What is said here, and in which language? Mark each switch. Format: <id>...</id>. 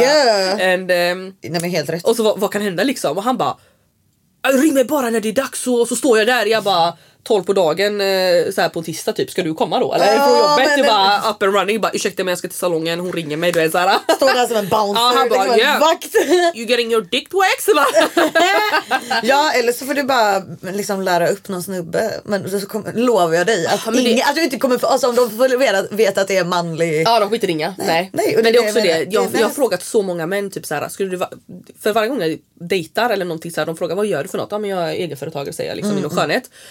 <sv>Yeah. Nej, men helt rätt. Och så vad kan hända liksom? Och han bara, ring mig bara när det är dags, och så står jag där, jag bara 12 på dagen så här på tisdag typ, ska du komma då eller på jobbet? Det bara</sv> <en>up and running,</en> <sv>bara ursäkta men jag ska till salongen, hon ringer mig, du är så här, står där som en bouncer. Ja, bara, yeah. Vakt.</sv> <en>You getting your dick waxed?</en> <sv>Ja, eller så får du bara liksom lära upp någon snubbe, men så lovar jag dig att att du inte kommer för, alltså om de får veta att det är manlig. Ja, de skiter ringa. Nej. Men det är också det. Jag har frågat så många män typ så här, skulle du för varje gång jag dejtar eller någonting så här, de frågar vad gör du för något? Ja, men jag är egenföretagare, säger jag liksom inom skönhet.</sv>